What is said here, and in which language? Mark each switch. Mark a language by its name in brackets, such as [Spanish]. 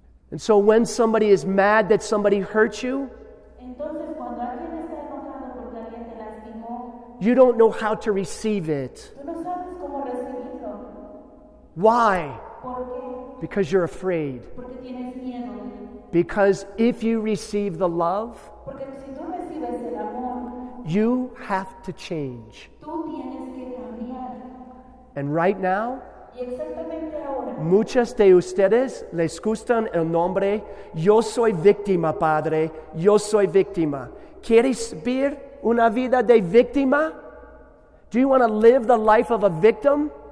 [English] And so when somebody is mad that somebody hurt you, [Spanish] entonces, cuando alguien está enojado porque alguien te lastimó, [English] you don't know how to receive it. [Spanish] Tú no sabes cómo recibirlo. [English] Why? [Spanish] ¿Por qué? [English] Because you're afraid. [Spanish] Porque tienes miedo. [English] Because if you receive the love, [Spanish] porque si tú recibes el amor, [English] you have to change. [Spanish] Tú tienes que cambiar. [English] And right now, [Spanish] y exactamente ahora, muchas de ustedes les gustan el nombre, yo soy víctima, padre, yo soy víctima. ¿Quieres vivir una vida de víctima? [English] Do you want to live the life of a victim?